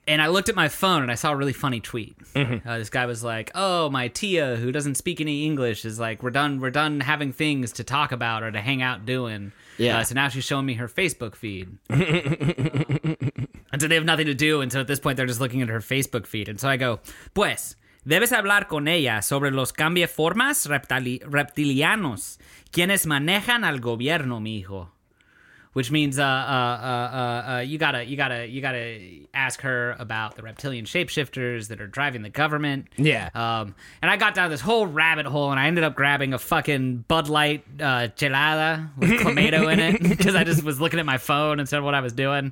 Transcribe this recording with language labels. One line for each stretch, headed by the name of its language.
English: And I looked at my phone and I saw a really funny tweet. Mm-hmm. This guy was like, oh, my tia, who doesn't speak any English, is like, we're done having things to talk about or to hang out doing. Yeah. So now she's showing me her Facebook feed. And so they have nothing to do. And so at this point, they're just looking at her Facebook feed. And so I go,
Spanish: pues, debes hablar con ella sobre los cambiaformas reptilianos quienes manejan al gobierno, mijo.
English: Which means you gotta ask her about the reptilian shapeshifters that are driving the government. Yeah. And I got down this whole rabbit hole, and I ended up grabbing a fucking Bud Light gelada with clamato in it because I just was looking at my phone instead of what I was doing.